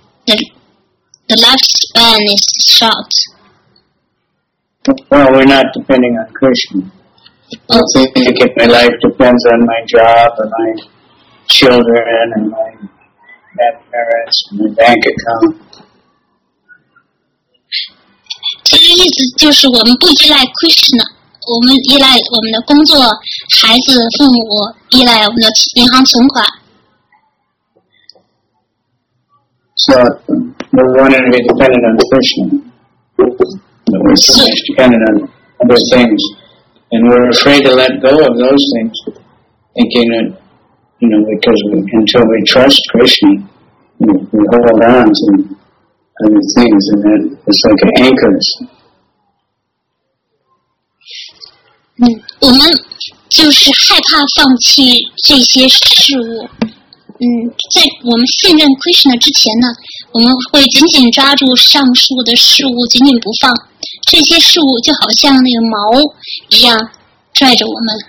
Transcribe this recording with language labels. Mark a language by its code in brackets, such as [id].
[en] The lifespan is short. Well, we're not depending on Krishna. I think if my life depends on my job or my children and my grandparents and my bank account. [zh] 这个意思就是我们不依赖 Krishna， 我们依赖我们的工作、孩子、父母，依赖我们的银行存款。 [en] So we wanted to be dependent on Krishna. We're dependent on other things, and we're afraid to let go of those things, thinking that, you know, because until we trust Krishna, we hold on to other things, and that it's like anchors. [zh] 我们就是害怕放弃这些事物。在我们信任 Krishna 之前呢，我们会紧紧抓住上述的事物，紧紧不放。这些事物就好像那个锚一样拽着我们。